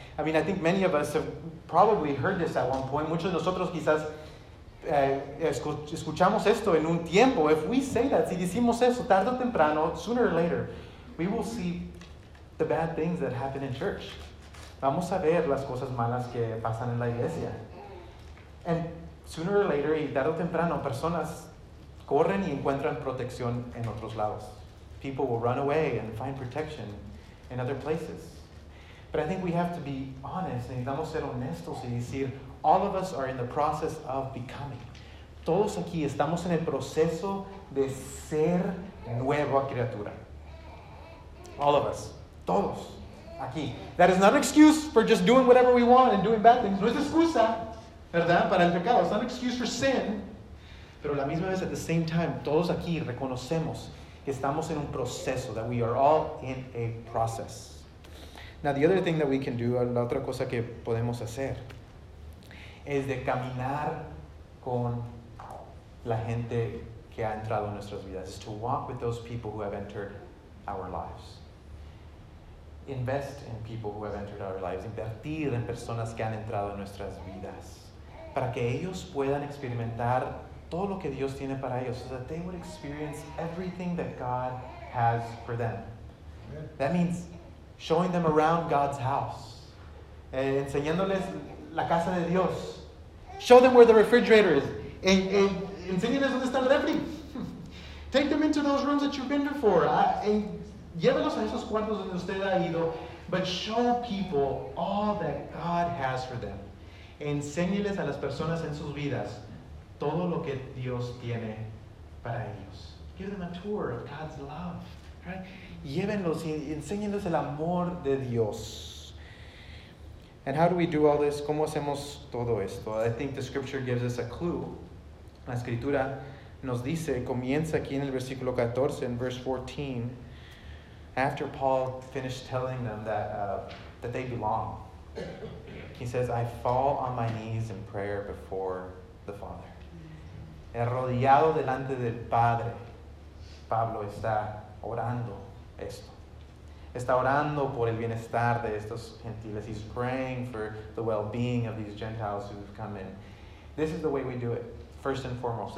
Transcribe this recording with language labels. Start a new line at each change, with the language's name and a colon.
English: I mean, I think many of us have probably heard this at one point.
Spanish: Muchos de nosotros quizás escuchamos esto en un tiempo.
English: If we say that,
Spanish: si decimos eso, tarde o temprano,
English: sooner or later, we will see the bad things that happen in church.
Spanish: Vamos a ver las cosas malas que pasan en la iglesia.
English: And sooner or later,
Spanish: y tarde o temprano, personas corren y encuentran protección en otros lados.
English: People will run away and find protection in other places. But I think we have to be honest.
Spanish: Necesitamos ser honestos y decir,
English: all of us are in the process of becoming.
Spanish: Todos aquí estamos en el proceso de ser nueva criatura.
English: All of us.
Spanish: Todos. Aquí.
English: That is not an excuse for just doing whatever we want and doing bad things.
Spanish: No es excusa, ¿verdad? Para el pecado.
English: It's not an excuse for sin.
Spanish: Pero la misma vez,
English: at the same time,
Spanish: todos aquí reconocemos que estamos en un proceso,
English: that we are all in a process. Now, the other thing that we can do,
Spanish: la otra cosa que podemos hacer, es de caminar con la gente que ha entrado en nuestras vidas.
English: It's to walk with those people who have entered our lives. Invest in people who have entered our lives.
Spanish: Invertir en personas que han entrado en nuestras vidas. Para que ellos puedan experimentar todo lo que Dios tiene para ellos,
English: so that they would experience everything that God has for them. That means showing them around God's house.
Spanish: Enseñándoles la casa de Dios.
English: Show them where the refrigerator is.
Spanish: Enseñándoles dónde está el refri.
English: Take them into those rooms that you've been before.
Spanish: Llévelos a esos cuartos donde usted ha ido.
English: But show people all that God has for them.
Spanish: Enseñeles a las personas en sus vidas todo lo que Dios tiene para ellos.
English: Give them a tour of God's love. Right?
Spanish: Llévenlos y enséñenles el amor de Dios.
English: And how do we do all this?
Spanish: ¿Cómo hacemos todo esto?
English: I think the scripture gives us a clue.
Spanish: La escritura nos dice, comienza aquí en el versículo 14,
English: in verse 14, after Paul finished telling them that that they belong, he says, I fall on my knees in prayer before the Father.
Spanish: Arrodillado delante del Padre, Pablo está orando esto. Está orando por el bienestar de estos gentiles.
English: He's praying for the well-being of these Gentiles who have come in. This is the way we do it, first and foremost.